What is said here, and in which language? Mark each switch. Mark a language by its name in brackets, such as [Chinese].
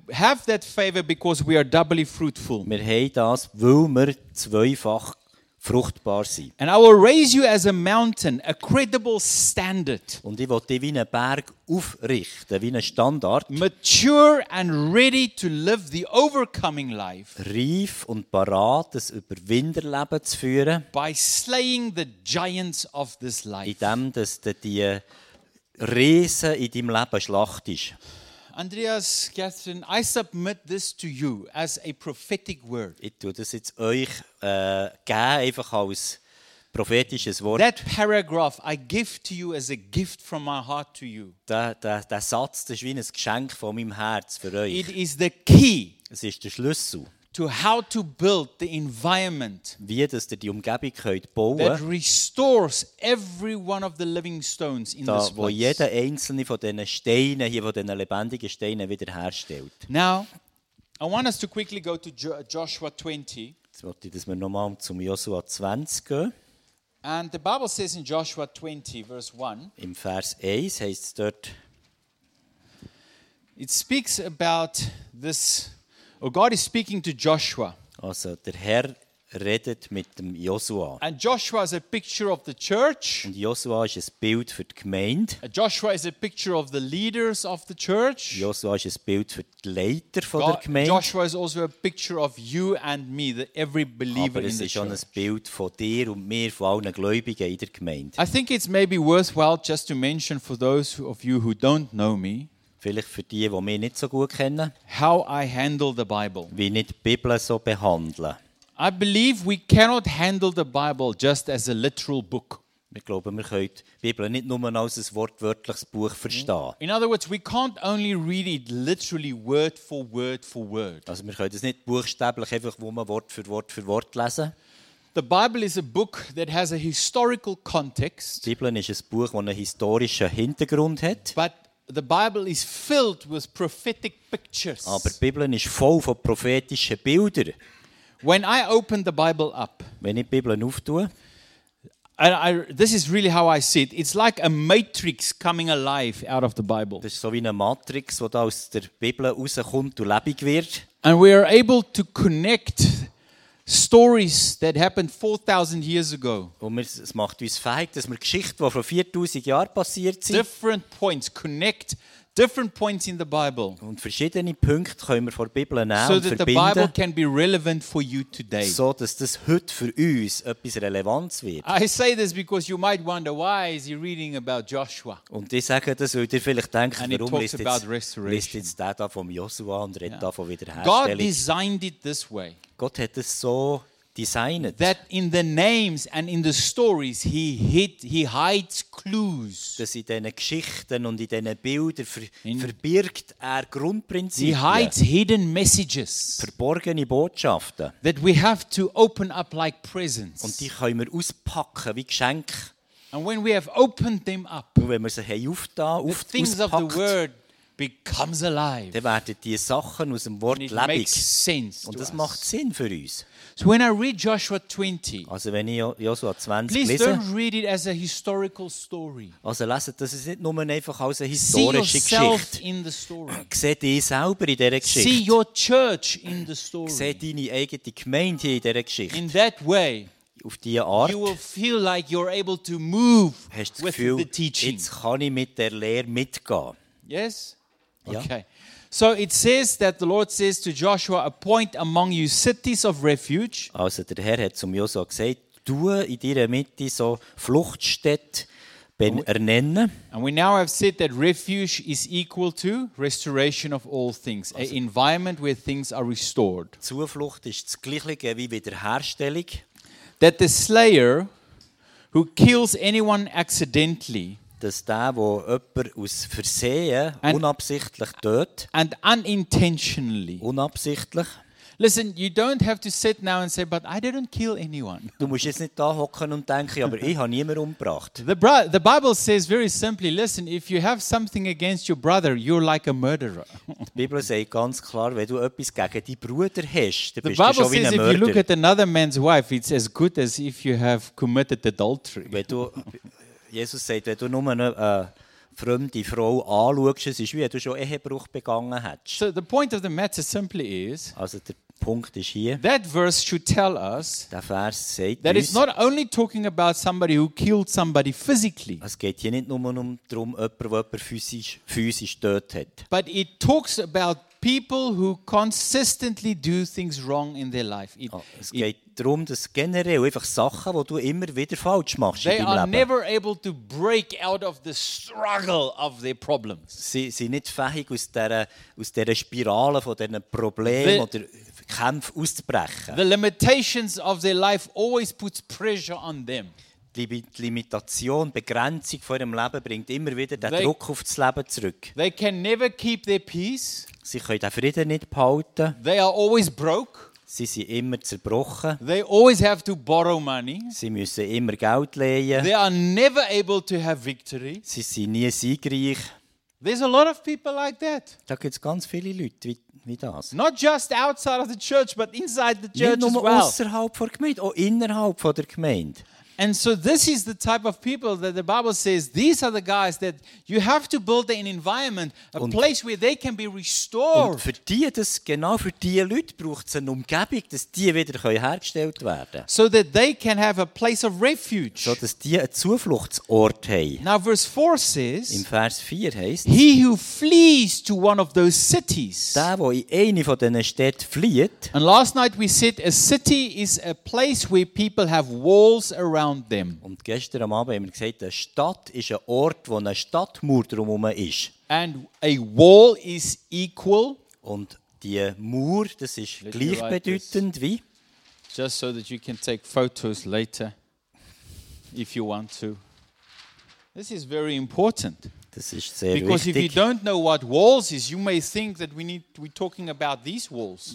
[English] We have that favor because we are doubly fruitful. [German] Wir haben das, weil wir zweifach fruchtbar sein. [English] And I will raise you as a mountain, a credible standard. [German] Und ich will dich wie einen Berg aufrichten, wie einen Standard. [English] Mature and ready to live the overcoming life. [German] Reif und parat, das Überwinderleben zu führen. [English] By slaying the giants of this life. [German] Indem du die Riesen in deinem Leben schlachtest. [English] Andreas, Catherine, I submit this to you as a prophetic word. [German] Ich tue das jetzt euch einfach als prophetisches Wort. [English] That paragraph I give to you as a gift from my heart to you. [German] Der Satz, das ist wie ein Geschenk von meinem Herz für euch. [English] It is the key. [German] Es ist der Schlüssel. [English] To how to build the environment. [German] Wie dass ihr die Umgebung könnt bauen. [English] That restores every one of the living stones in [German] da, [English] this place. [German] Wo jeder einzelne von diesen Steinen hier, von diesen lebendigen Steinen wiederherstellt. [English] Now, I want us to quickly go to Joshua 20. [German] Jetzt möchte ich, dass wir nochmal zum Joshua 20 gehen. [English] And the Bible says in Joshua 20, verse 1. [German] Im Vers 1 heißt es dort. [English] It speaks about this. Oh, God is speaking to Joshua. [German] Also, der Herr redet mit dem Joshua. [English] And Joshua is a picture of the church. [German] Und Joshua ist ein Bild für die Gemeinde. [English] And Joshua is a picture of the leaders of the church. [German] Joshua ist ein Bild für die Leiter von der Gemeinde. [English] Joshua is also a picture of you and me, the every believer in the church. [German] Aber es ist schon ein Bild von dir und mir, von allen Gläubigen in der Gemeinde. [English] I think it's maybe worthwhile just to mention for those of you who don't know me. [German] Vielleicht für die, die mich nicht so gut kennen. [English] How I handle the Bible. [German] Wie ich die Bibel so behandle. [English] I believe we cannot handle the Bible just as a literal book. [German] Wir glauben, wir können die Bibel nicht nur als ein wortwörtliches Buch verstehen. [English] In other words, we can't only read it literally word for word for word. [German] Also wir können es nicht buchstäblich einfach Wort für Wort für Wort lesen. [English] The Bible is a book that has a historical context. [German] Die Bibel ist ein Buch, das einen historischen Hintergrund hat. [English] But the Bible is filled with prophetic pictures. [German] Aber die Bibel ist voll von prophetischen Bildern. [English] When I open the Bible up, [German] wenn ich die Bibel auftue, [English] and I, this is really how I see it. It's like a matrix coming alive out of the Bible. [German] Das ist so wie eine Matrix, wo da aus der Bibel rauskommt und lebendig wird. [English] And we are able to connect stories that happened 4,000 years ago. [German] Und es macht uns fähig, dass wir Geschichten, die vor 4,000 Jahren passiert sind, [English] different points connect. Different points in the Bible. [German] Und verschiedene Punkte können wir von der Bibel nehmen [English] so that [German] und verbinden, [English] the Bible can be relevant for you today. [German] So dass das heute für uns etwas Relevanz wird. [English] I say this because you might wonder why is he reading about Joshua? [German] Und ich sage das, weil ihr vielleicht denkt, and warum liest jetzt der da vom Joshua und redet da von Wiederherstellung? [English] God designed it this way. [German] Gott hat es so designed. [English] That in the names and in the stories he hides clues. [German] Dass in diesen Geschichten und in diesen Bildern verbirgt er Grundprinzipien. [English] He hides hidden messages. [German] Verborgene Botschaften. [English] That we have to open up like presents. [German] Und die können wir auspacken wie Geschenke. [English] And when we have opened them up, [German] und wenn wir sie auspackt, [English] the things of the word becomes alive. [German] Dann werden die Sachen aus dem Wort lebendig. Und das macht Sinn für uns. [English] So when I read Joshua 20, [German] also wenn ich Joshua 20 [English] please [German] lese, [English] don't read it as a historical story. [German] Also lese, das ist nicht nur einfach als eine historische Geschichte. Seht ihr selber in dieser Geschichte. [English] See your church in the story. [German] Seht deine eigene Gemeinde hier in dieser Geschichte. [English] In that way, [German] auf diese Art, [English] you will feel like you're able to move [German] hast du das Gefühl, [English] with the teaching. [German] Jetzt kann ich mit der Lehre mitgehen. [English] Yes? [German] Ja. [English] Okay. So it says that the Lord says to Joshua, appoint among you cities of refuge. [German] Also der Herr hat zum Joshua gesagt, du in deiner Mitte so Fluchtstädte ernennen. [English] And we now have said that refuge is equal to restoration of all things, also, an environment where things are restored. [German] Zuflucht ist das Gleiche wie Wiederherstellung. [English] That the slayer who kills anyone accidentally, [German] dass der, der jemanden aus Versehen [English] and, [German] unabsichtlich tötet. [English] And unintentionally. [German] Unabsichtlich. [English] Listen, you don't have to sit now and say, but I didn't kill anyone. [German] Du musst jetzt nicht da hocken und denken, aber ich habe niemanden umgebracht. [English] The Bible says very simply, listen, if you have something against your brother, you're like a murderer. [German] Die Bibel sagt ganz klar, wenn du etwas gegen deinen Bruder hast, dann [English] the [German] du schon [English] says, [German] wie ein [English] if you look at another man's wife, it's as good as if you have committed adultery. [German] Wenn du... Jesus sagt, wenn du nur eine fremde Frau anschaust, es ist wie, wenn du schon Ehebruch begangen hättest. [English] So the point of the matter simply is, [German] also der Punkt ist hier, [English] that verse should tell us, [German] der Vers sagt [English] that [German] uns, [English] it's not only talking about somebody who killed somebody physically, [German] es geht hier nicht nur darum, jemanden, der jemanden physisch tötet hat. [English] But it talks about people who consistently do things wrong in their life. [German] Darum, dass generell einfach Sachen, die du immer wieder falsch machst [English] they They are never able to break out of the struggle of their problems. [German] Sie sind nicht fähig, aus dieser Spirale von diesen Problemen oder Kämpfen auszubrechen. [English] The limitations of their life always puts pressure on them. [German] Die Limitation, Begrenzung von ihrem Leben bringt immer wieder den Druck auf das Leben zurück. [English] They can never keep their peace. [German] Sie können den Frieden nicht behalten. [English] They are always broke. [German] Sie sind immer zerbrochen. [English] They always have to borrow money. [German] Sie müssen immer Geld leihen. [English] They are never able to have victory. [German] Sie sind nie siegreich. [English] There's a lot of people like that. [German] Da gibt es ganz viele Leute wie das. [English] Not just outside of the church, but inside the church as well. [German] Nicht nur außerhalb von der Gemeinde, auch innerhalb von der Gemeinde. [English] And so this is the type of people that the Bible says, these are the guys that you have to build an environment, a place where they can be restored. [German] Und für die, das, genau für die Leute braucht es eine Umgebung, dass die wieder hergestellt werden können. [English] So that they can have a place of refuge. [German] So dass die einen Zufluchtsort haben. [English] Now verse 4 says, [German] in Vers 4 heisst, [English] he who flees to one of those cities. [German] Der, wo in eine von diesen Städten flieht. [English] And last night we said, a city is a place where people have walls around. [German] Und gestern am Abend haben wir gesagt, eine Stadt ist ein Ort, wo eine Stadtmauer drumherum ist. [English] And a wall is equal. [German] Und die Mauer, das ist gleichbedeutend wie. [English] Just so that you can take photos later, if you want to. This is very important. [German] Das ist sehr [English] because [German] wichtig. [English] If you don't know what walls is, you may think that we're talking about these walls.